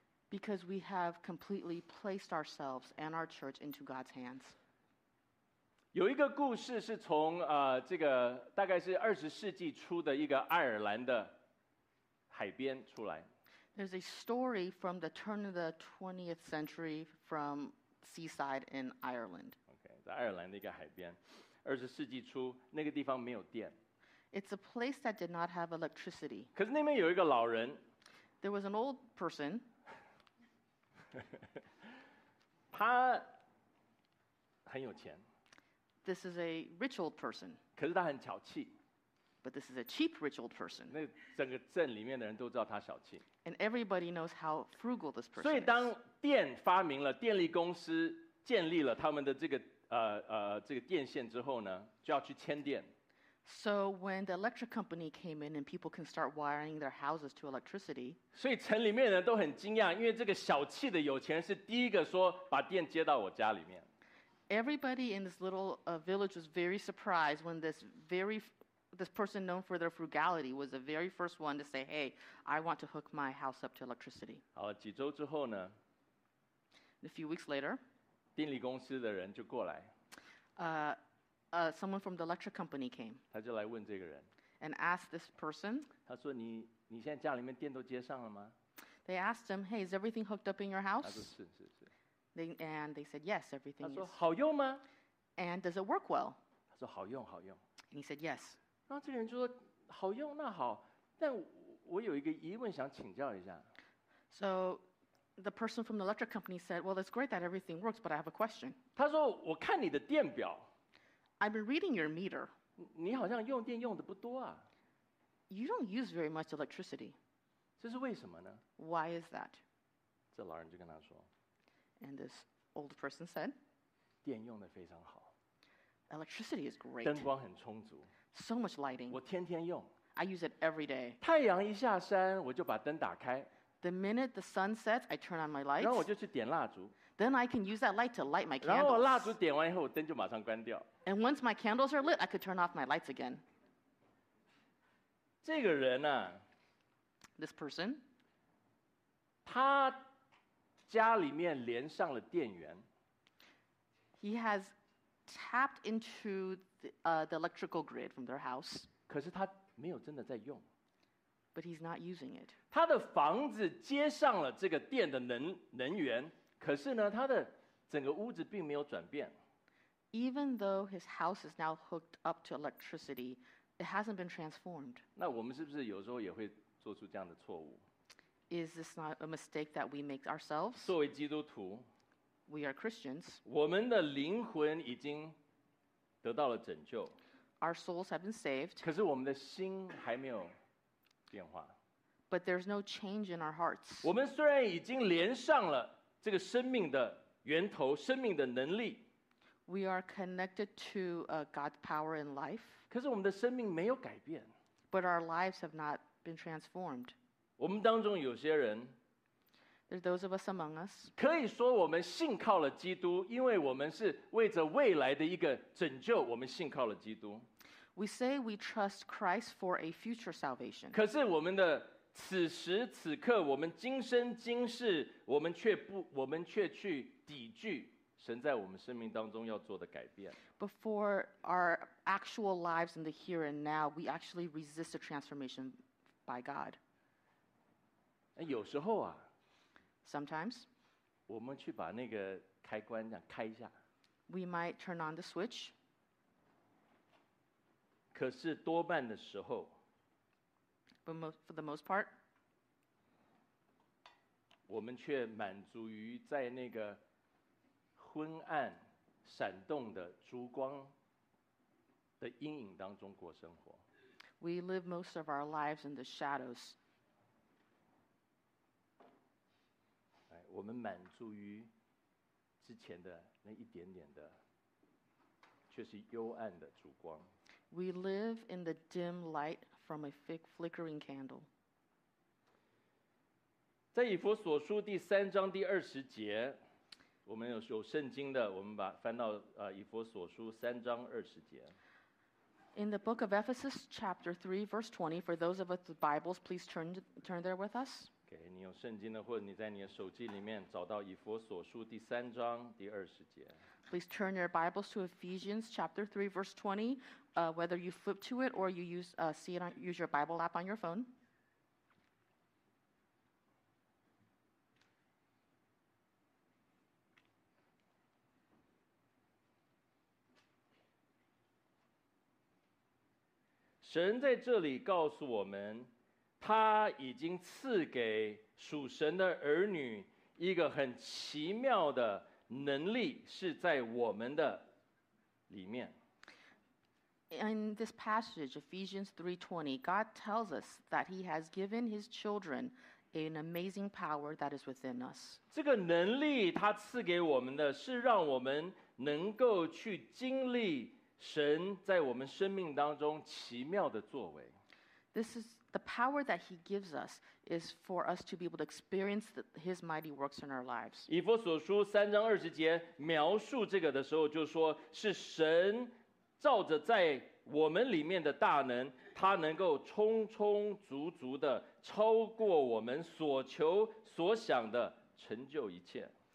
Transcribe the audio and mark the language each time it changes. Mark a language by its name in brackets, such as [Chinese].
[English] Because we have completely placed ourselves and our church into God's hands. [Chinese] 有一个故事是从这个大概是二十世纪初的一个爱尔兰的海边出来。 [English] There's a story from the turn of the 20th century from seaside in Ireland. [Chinese] Okay. 在爱尔兰的一个海边。二十世纪初，那个地方没有电。 [English] It's a place that did not have electricity. [Chinese] 可是那边有一个老人。 [English] There was an old person. [Chinese] 他很有钱。 [English] This is a rich old person. [Chinese] 可是他很小气。 [English] But this is a cheap rich old person. [Chinese] 那整个镇里面的人都知道他小气。 [English] And everybody knows how frugal this person is. [Chinese] 所以当电发明了，电力公司建立了他们的这个这个电线之后呢，就要去牵电。 [English] So when the electric company came in and people can start wiring their houses to electricity. [Chinese] 所以城里面的人都很惊讶，因为这个小气的有钱人是第一个说把电接到我家里面。 [English] Everybody in this little village was very surprised when this person known for their frugality was the very first one to say, hey, I want to hook my house up to electricity. [Chinese] 好了，几周之后呢？ [English] A few weeks later, [Chinese] 电力公司的人就过来。 [English] Someone from the electric company came. [Chinese] 他就来问这个人。 [English] And asked this person, [Chinese] 他说你现在家里面电都接上了吗？ [English] They asked him, hey, is everything hooked up in your house? [Chinese] 他说是。 [English] And they said, yes, everything is. [Chinese] 他说好用吗？ [English] And does it work well? [Chinese] 他说好用，好用。 [English] And he said, yes. [Chinese] 然后这个人就说：“好用，那好，但我有一个疑问想请教一下。” [English] So, the person from the electric company said, "Well, it's great that everything works, but I have a question." [Chinese] 他说：“我看你的电表。” [English] I've been reading your meter. [Chinese] 你好像用电用的不多啊。 [English] You don't use very much electricity. [Chinese] 这是为什么呢？ [English] Why is that? [Chinese] 这老人就跟他说。 [English] And this old person said, [Chinese] 电用的非常好。 [English] Electricity is great. [Chinese] 灯光很充足。 [English] So much lighting. [Chinese] 我天天用。 [English] I use it every day. [Chinese] 太阳一下山，我就把灯打开。 [English] The minute the sun sets, I turn on my lights. [Chinese] 然后我就去点蜡烛。 [English] Then I can use that light to light my candles. [Chinese] 然后我蜡烛点完以后，我灯就马上关掉。 [English] And once my candles are lit, I could turn off my lights again. [Chinese] 这个人啊， [English] This person. [Chinese] 他家里面连上了电源。 [English] He has tapped into the electrical grid from their house. [Chinese] 可是他没有真的在用。 [English] But he's not using it. [Chinese] 他的房子接上了这个电的能源，可是呢，他的整个屋子并没有转变。 [English] Even though his house is now hooked up to electricity, it hasn't been transformed. [Chinese] 那我们是不是有时候也会做出这样的错误？ [English] Is this not a mistake that we make ourselves? [Chinese] 作为基督徒， [English] We are Christians. [Chinese] 我们的灵魂已经得到了拯救。 [English] Our souls have been saved. [Chinese] 可是我们的心还没有变化。 [English] But there's no change in our hearts. [Chinese] 我们虽然已经连上了这个生命的源头，生命的能力。 [English] We are connected to God's power in life. [Chinese] 可是我们的生命没有改变。 [English] But our lives have not been transformed. [Chinese] 我们当中有些人 [English] There are those of us among us. [Chinese] 可以说我们信靠了基督，因为我们是为着未来的一个拯救，我们信靠了基督。 [English] We say we trust Christ for a future salvation. [Chinese] 可是我们的此时此刻，我们今生今世，我们却去抵拒神在我们生命当中要做的改变。 [English] But for our actual lives in the here and now, we actually resist the transformation by God. [Chinese] 有时候啊， [English] Sometimes, [Chinese] 我们去把那个开关这样开一下。 [English] We might turn on the switch. [Chinese] 可是多半的时候 [English] ，But for the most part, [Chinese] 我们却满足于在那个昏暗、闪动的烛光的阴影当中过生活。 [English] We live most of our lives in the shadows. [Chinese] 我们满足于之前的那一点点的，却是幽暗的烛光。 [English] We live in the dim light from a flickering candle. [Chinese] 在以弗所书第三章第二十节，我们有圣经的，我们把翻到以弗所书三章二十节。 [English] In the book of Ephesus, chapter 3, verse 20, for those of us with Bibles, please turn there with us. [Chinese] Okay, 你有圣经的，或者你在你的手机里面找到以弗所书第三章第二十节。 [English] Please turn your Bibles to Ephesians, chapter 3, verse 20, whether you flip to it or you use your Bible app on your phone. [Chinese] 神在这里告诉我们，他已经赐给属神的儿女一个很奇妙的能力，是在我们的里面。 [English] In this passage, Ephesians 3:20, God tells us that He has given His children an amazing power that is within us. [Chinese] 这个能力他赐给我们的是让我们能够去经历神在我们生命当中奇妙的作为。 [English] This is the power that He gives us is for us to be able to experience His mighty works in our lives. [Chinese] 以弗所书三章二十节描述这个的时候就说是神照着在我们里面的大能，他能够充充足足的超过我们所求所想的成就一切。